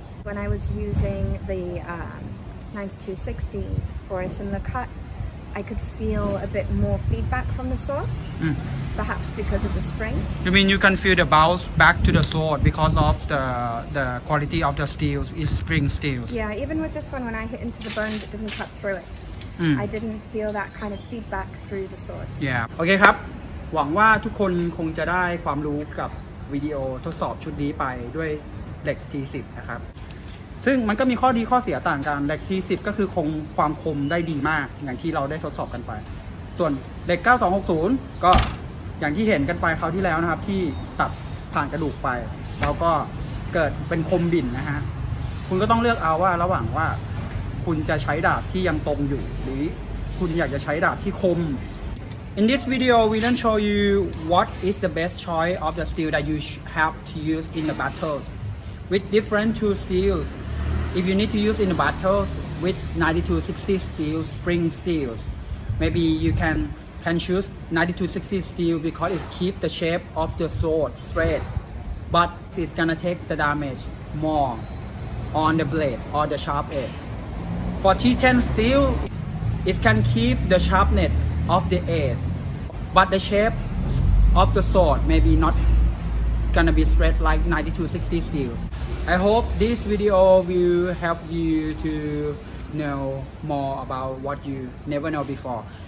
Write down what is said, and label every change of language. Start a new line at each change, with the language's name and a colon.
English: When I was using the 9260 for a similar cut, I could feel a bit more feedback from the sword, perhaps because of the spring. You mean you can feel the bounce back to the sword because of the quality of the steel, is spring steel? Yeah, even with this one, when I hit into the bone but didn't cut through it, I didn't feel that kind of feedback through the sword. Yeah. Okay,
Thai: ครับ หวังว่าทุกคนคงจะได้ความรู้กับวิดีโอทดสอบชุดนี้ไปด้วยเหล็ก T10 นะครับซึ่งมันก็มีข้อดีข้อเสียต่างกันเหล็ก T10 ก็คือคงความคมได้ดีมากอย่างที่เราได้ทดสอบกันไปส่วนเหล็ก9260ก็อย่างที่เห็นกันไปคราวที่แล้วนะครับที่ตัดผ่านกระดูกไปแล้วก็เกิดเป็นคมบิ่นนะฮะคุณก็ต้องเลือกเอาว่าระหว่างว่า คุณจะใช้ดาบที่ยังตรงอยู่หรือคุณอยากจะใช้ดาบที่คม
English: In this video we don't show you what is the best choice of the steel that you have to use in the battle with different two steelIf you need to use in the battles with 9260 steel, spring steels, maybe you can choose 9260 steel because it keep the shape of the sword straight, but it's gonna take the damage more on the blade or the sharp edge. For T10 steel, it can keep the sharpness of the edge, but the shape of the sword maybe not gonna be straight like 9260 steel. I hope this video will help you to know more about what you never know before.